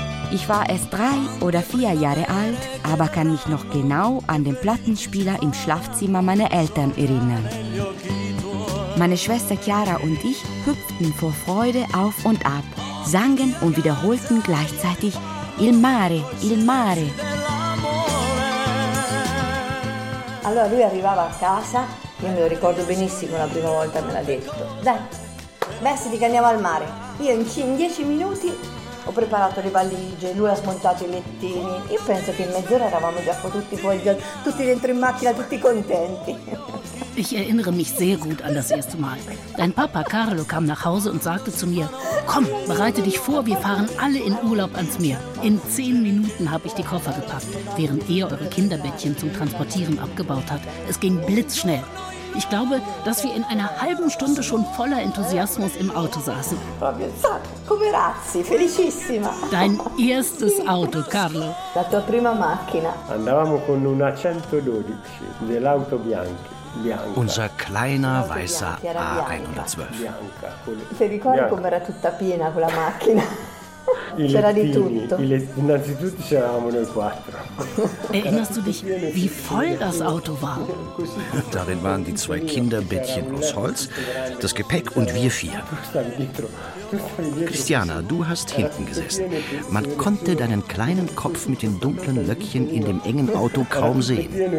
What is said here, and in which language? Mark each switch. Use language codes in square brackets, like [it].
[de] Ich war erst 3 oder 4 Jahre alt, aber kann mich noch genau an den Plattenspieler im Schlafzimmer meiner Eltern erinnern. Meine Schwester Chiara und ich hüpften vor Freude auf und ab, sangen und wiederholten gleichzeitig [it] Il mare, il mare. Allora lui arrivava a casa, io me lo ricordo benissimo la prima volta me l'ha detto. Dai, vestiti che andiamo al mare. Io in 10 minuti ho preparato le valigie, lui ha smontato i lettini. Io penso che in mezz'ora eravamo già tutti fuori, tutti dentro in macchina, tutti contenti. [de] Ich erinnere mich sehr gut an das erste Mal. Dein Papa Carlo kam nach Hause und sagte zu mir, komm, bereite dich vor, wir fahren alle in Urlaub ans Meer. In 10 Minuten habe ich die Koffer gepackt, während er eure Kinderbettchen zum Transportieren abgebaut hat. Es ging blitzschnell. Ich glaube, dass wir in einer halben Stunde schon voller Enthusiasmus im Auto saßen. [it] Come razzi, felicissima. [de] Dein erstes Auto, Carlo. [it] La tua prima macchina. Andavamo con una 112 dell'auto bianca. [de] Unser kleiner weißer A112. [it] Se ricordi com'era tutta piena quella macchina. C'era di tutto. Innanzitutto c'eravamo noi quattro. [de] Erinnerst du dich, wie voll das Auto war? Darin waren die 2 Kinderbettchen aus Holz, das Gepäck und wir 4. Christiana, du hast hinten gesessen. Man konnte deinen kleinen Kopf mit den dunklen Löckchen in dem engen Auto kaum sehen.